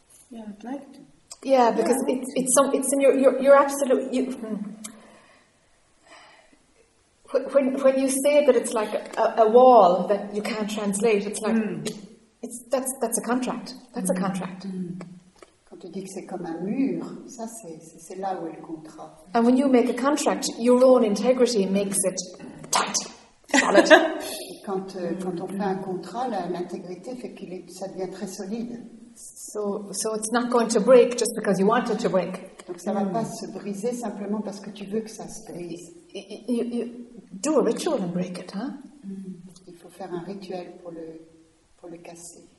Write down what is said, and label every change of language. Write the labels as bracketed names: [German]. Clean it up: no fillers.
[English] Yeah, I'd like to. Yeah, because yeah, it's in your absolute you. Mm. When you say that it's like a wall that you can't translate, it's like that's a contract. That's a contract. [French] Quand tu dis que c'est comme un mur, ça c'est là où est le contrat. [English] And when you make a contract, your own integrity makes it tight, solid. [French] quand on fait un contrat, l'intégrité fait qu'il est, ça devient très solide. [English] So it's not going to break just because you want it to break. [French] Donc ça va pas se briser simplement parce que tu veux que ça se brise. [English] You do a ritual and break it, huh? [French] Il faut faire un rituel pour le casser.